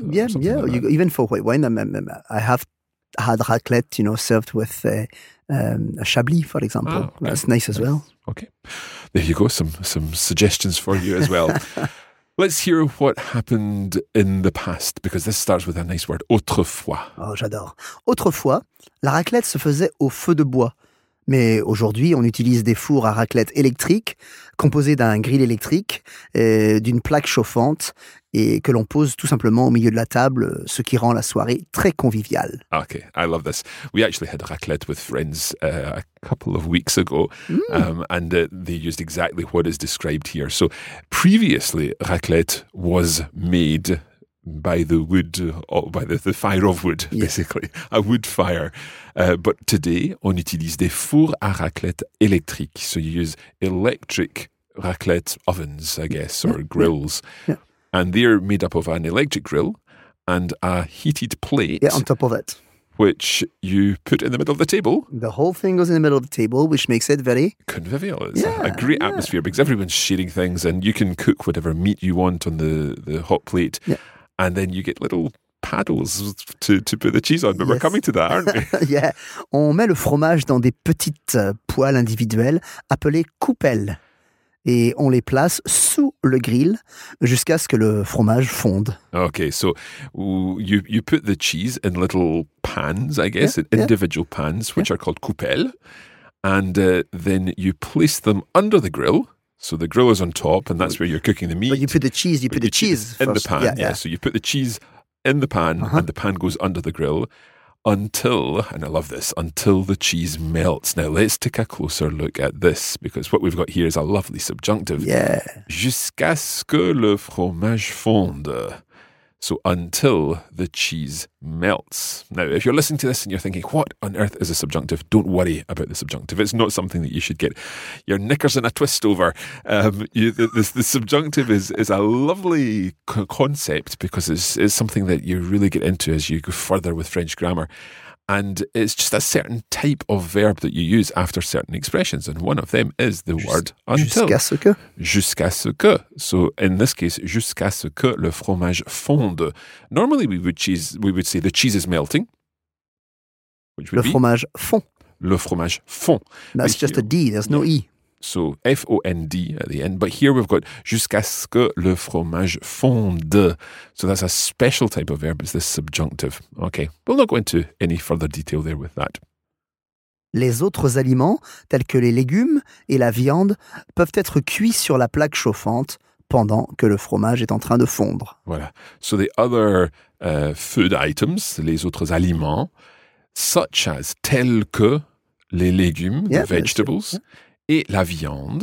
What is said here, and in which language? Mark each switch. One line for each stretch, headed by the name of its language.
English: Even for white wine, I have had raclette, served with a Chablis, for example. Ah, okay. That's nice as well. Okay. There you go. Some suggestions for you as well. Let's hear what happened in the past, because this starts with a nice word, autrefois.
French: Oh, j'adore. Autrefois, la raclette se faisait au feu de bois. Mais aujourd'hui, on utilise des fours à raclette électrique, composés d'un grill électrique, et d'une plaque chauffante, et que l'on pose tout simplement au milieu de la table, ce qui rend la soirée très conviviale.
English: Okay, I love this. We actually had raclette with friends a couple of weeks ago, they used exactly what is described here. So, previously, raclette was made by the wood, by the fire of wood, basically. A wood fire. But today,
French: on utilise des fours à raclette électriques.
English: So you use electric raclette ovens, I guess, or grills. Yeah. And they're made up of an electric grill and a heated plate. Yeah, on top of it. which you put in the middle of the table. The whole thing goes in the middle of the table, which makes it very convivial. It's a great atmosphere because everyone's sharing things and you can cook whatever meat you want on the hot plate. Yeah. And then you get little paddles to put the cheese on. But we're coming to that, aren't we? Yeah.
French: On met le fromage dans des petites poêles individuelles appelées coupelles. Et on les place sous le grill jusqu'à ce que le fromage fonde.
English: Okay, so you put the cheese in little pans, I guess, individual pans, which are called coupelles. And then you place them under the grill. So the grill is on top, and that's where you're cooking the meat. But you put the cheese, you put the cheese in the pan. Yeah, so you put the cheese in the pan, and the pan goes under the grill until, and I love this, until the cheese melts. Now, let's take a closer look at this, because what we've got here is a lovely subjunctive. Yeah.
French: Jusqu'à ce que le fromage fonde.
English: So, until the cheese melts. Now, if you're listening to this and you're thinking, what on earth is a subjunctive? Don't worry about the subjunctive. It's not something that you should get your knickers in a twist over. The subjunctive is a lovely concept because it's something that you really get into as you go further with French grammar. And it's just a certain type of verb that you use after certain expressions. And one of them is the word until.
French: Jusqu'à ce que. Jusqu'à ce que.
English: So in this case,
French: jusqu'à ce que le fromage fonde.
English: Normally we would say the cheese is melting. Which would
French: le fromage fond. Le fromage fond.
English: That's just a D, there's no E. So F-O-N-D at the end. But here we've got
French: jusqu'à ce que le fromage fonde.
English: So that's a special type of verb. It's this subjunctive. Okay, we'll not go into any further detail there with that.
French: Les autres aliments, tels que les légumes et la viande, peuvent être cuits sur la plaque chauffante pendant que le fromage est en train de fondre. Voilà.
English: So the other food items,
French: les autres aliments,
English: such as,
French: tels que les légumes,
English: the vegetables,
French: et la viande